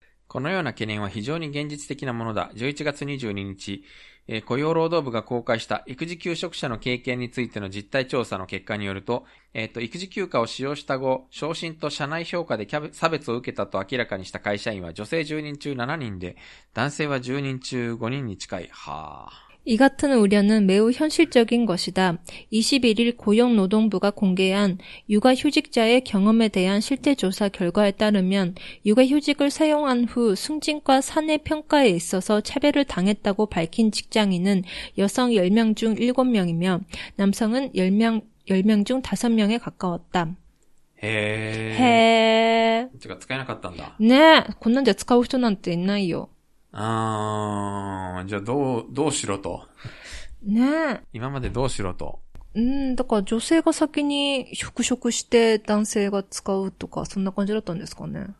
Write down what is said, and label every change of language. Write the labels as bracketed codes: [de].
[ja] このような懸念は非常に現実的なものだ11月22日雇用労働部が公開した育児休職者の経験についての実態調査の結果によると、育児休暇を使用した後、昇進と社内評価で差別を受けたと明らかにした会社員は女性10人中7人で男性は10人中5人に近いはぁ [ko] 이 같은 우려는 매우 현실적인 것이다. 21일 고용노동부가 공개한 육아휴직자의 경험에 대한 실태조사 결과에 따르면 육아휴직을 사용한 후 승진과 사내평가에 있어서 차별을 당했다고 밝힌 직장인은 여성 10명 중 7명이며 남성은 10명 중 5명에 가까웠다. へー。 [ja] へー。が使えなかったんだ。ねえ、こんなんじゃ使う人なんていないよ。あー、じゃあどうしろと。ねえ。今までどうしろと。だから女性が先に復職して男性が使うとか、そんな感じだったんですかね。